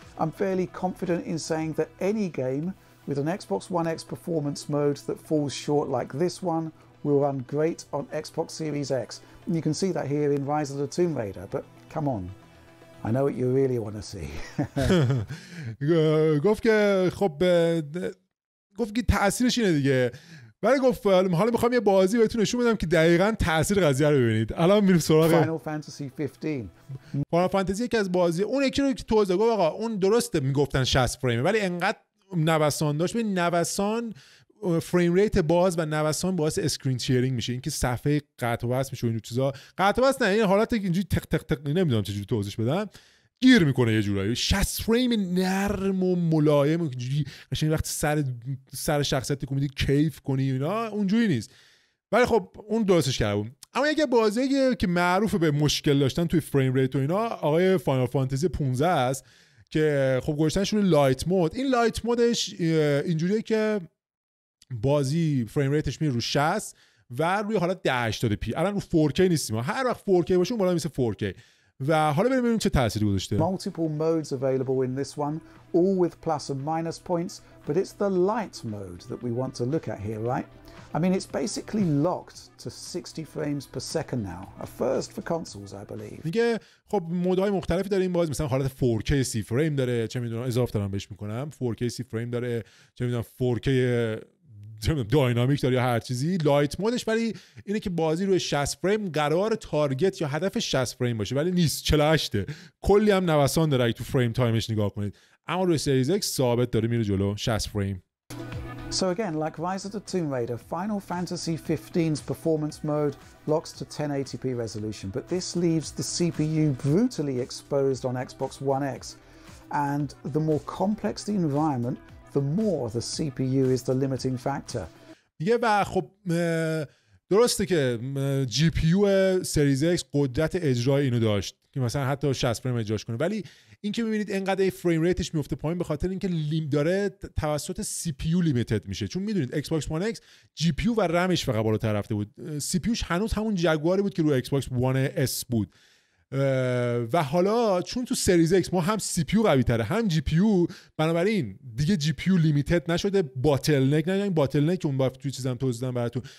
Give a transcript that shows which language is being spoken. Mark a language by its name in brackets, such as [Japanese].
[English] I'm fairly confident in saying that any game with an Xbox One X performance mode that falls short like this one will run great on Xbox Series X. And you can see that here in Rise of the Tomb Raider, but come on. I know what you really want to see. [Persian] گفت که خب گفت که تأثیرش اینه دیگه، ولی گفت حالا میخوام یه بازی بهتون نشون بدم که دقیقاً تاثیر قضیه رو ببینید. الان میریم سراغ فانتزی 15. یکی از بازی اون یکی رو که توزه گفت آقا اون درسته میگفتن 60 فریم ولی انقدر نوسان داشت. ببین نوسان فریم ریت باز و نوسان باعث اسکرین شیرینگ میشه، اینکه صفحه قطع و وصل میشه این چیزا. قطع و وصل نه، این حالت اینجوری تق تق تق نمیدونم چجوری توضیح بدم، گیر میکنه یه جورایی. 60 فریم نرم و ملایم اینجوری قشنگ وقت سر شخصیت کمدی کیف کنی اینا اونجوری نیست، ولی خب اون درستش کرده بود. اما یکی بازی که معروفه به مشکل داشتن توی فریم ریت و اینا آقای فاینال فانتزی 15 است که خب گوشتنشون لایت مود. این لایت مودش اینجوریه که بازی فریم ریتش میره رو 60 و روی حالت 1080 پی. الان رو 4K نیستیم، هر وقت 4K باشه بالا میشه 4K. و حالا بریم ببینیم چه تأثیری گذاشته. [English] Multiple modes available in this one, all with plus and minus points, but it's the light mode that we want to look at here, right? I mean, it's basically locked to 60 frames per second now. A first for consoles, I believe. [Persian] میگه خب مودهای مختلفی داره این باز، مثلا حالت 4K 30 فریم داره، چه میدونم اضافه دارم بهش میکنم، 4K 30 فریم داره، چه میدونم 4K داینامیک داره یا هر چیزی. لایت مودش ولی اینه که بازی روی 60 فریم قرار تارگت یا هدف 60 فریم باشه، ولی نیست، 48ه. کلی هم نوسان داره اگه تو فریم تایمش نگاه کنید. اما روی سریز X ثابت داره میره جلو 60 فریم. [English] So again, like Rise of the Tomb Raider, Final Fantasy 15's performance mode locks to 1080p resolution, but this leaves the CPU brutally exposed on Xbox One X. And the more complex the environment, the more the CPU is the limiting factor. [Persian] یه و خب درسته که GPU سریز X قدرت اجرای اینو داشت که مثلا حتی 60 فریم اجراش کنه، ولی این که میبینید انقدر فریم ریتش میفته پایین به خاطر اینکه لیم داره توسط سی پی یو لیمیتد میشه. چون میدونید Xbox One X جی پی یو و رمش فقط بالا رفته بود، سی پی یوش هنوز همون جگواری بود که روی Xbox One S بود، و حالا چون تو سریز X ما هم سی پی یو قوی تره هم جی پی یو، بنابراین دیگه جی پی یو لیمیتد نشده، باتل نک نه، این باتل نک اون باف توی چیزام توضیح دادم براتون.